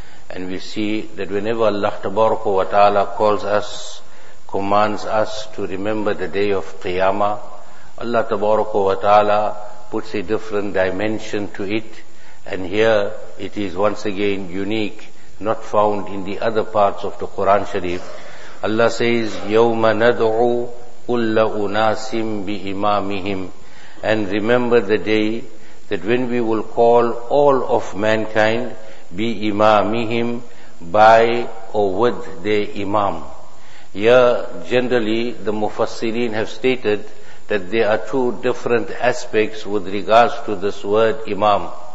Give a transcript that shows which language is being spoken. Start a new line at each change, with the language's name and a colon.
English: And we see that whenever Allah Tabaraka wa Ta'ala calls us, commands us to remember the day of Qiyamah, Allah Tabaraka wa Ta'ala puts a different dimension to it. And here it is once again unique, not found in the other parts of the Quran Sharif.
Arabic: Allah says, يَوْمَ نَدْعُوا كُلَّ أُنَاسٍ بِإِمَامِهِمْ.
English: And remember the day that when we will call all of mankind بِإِمَامِهِمْ, by or with their imam. Here, generally, the Mufassirin have stated that there are two different aspects with regards to this word imam.